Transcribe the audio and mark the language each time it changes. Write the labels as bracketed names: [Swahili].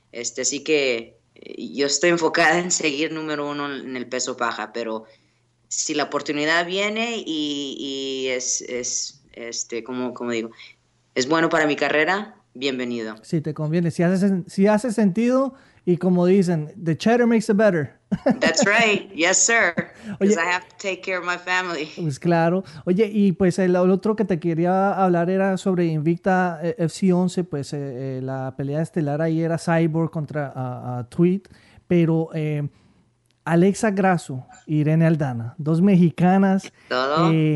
[Spanish] Este, así que yo estoy enfocada en seguir número uno en el peso paja, pero si la oportunidad viene y es este, como digo, es bueno para mi carrera, bienvenido. Si te conviene, si hace sentido y como dicen, [English] the cheddar makes it better. That's right, yes sir, because I have to take care of my family. [Spanish] Pues claro. Oye, y pues el otro que te quería hablar era sobre Invicta FC 11, pues la pelea estelar ahí era Cyborg contra Tweet, pero Alexa Grasso y Irene Aldana, dos mexicanas. Todo.